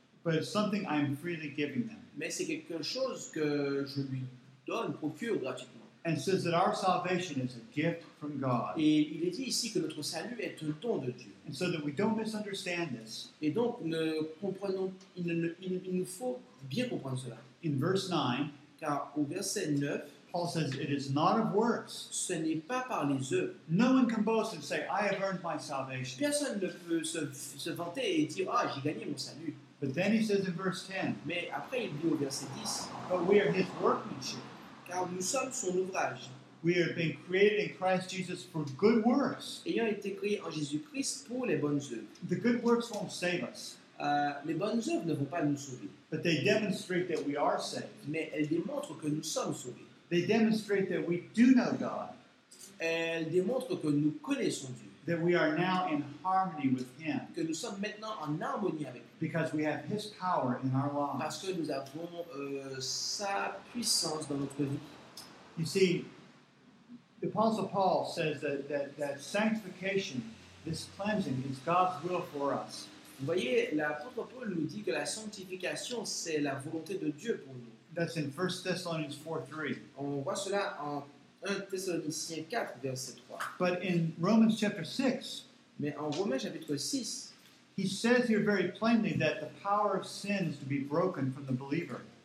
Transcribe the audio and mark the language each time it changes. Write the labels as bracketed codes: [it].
[en] But it's something I'm freely giving them. [fr] Mais c'est quelque chose que je lui donne, procure gratuitement. [en] And says that our salvation is a gift from God. [fr] Et il est dit ici que notre salut est un don de Dieu. [en] And so that we don't misunderstand this. [fr] Et donc ne comprenons, il nous faut bien comprendre cela. [en] In verse 9, [fr] car au verset 9, [en] Paul says, it is not of works. [fr] Ce n'est pas par les œuvres. [en] No one can boast and say, I have earned my salvation. [fr] Personne ne peut se vanter et dire, ah, j'ai gagné mon salut. [en] But then he says in verse 10. [fr] Mais après, il dit au verset 10. [en] But we are his workmanship. [fr] Car nous sommes son ouvrage. [en] We have been created in Christ Jesus for good works. [fr] Ayant été créés en Jésus-Christ pour les bonnes œuvres. [en] The good works won't save us. [fr] Les bonnes œuvres ne vont pas nous sauver. [en] But they demonstrate that we are saved. [fr] Mais elles démontrent que nous sommes sauvés. [en] They demonstrate that we do know God. [fr] Elles démontrent que nous connaissons Dieu. [en] That we are now in harmony with Him. [fr] Que nous sommes maintenant en harmonie avec lui. [en] Because we have His power in our lives. [fr] Parce que nous avons sa puissance dans notre vie. [en] You see, the Apostle Paul says that sanctification, this cleansing, is God's will for us. [fr] Vous voyez, l'apôtre Paul nous dit que la sanctification, c'est la volonté de Dieu pour nous. [en] That's in 1 Thessalonians 4:3. [fr] On voit cela en 1 Thessaloniciens 4, verset 3. [en] But in Romans chapter 6, [fr] mais en Romains chapitre 6, [en] he says here very plainly that the power of sin is to be broken from the believer.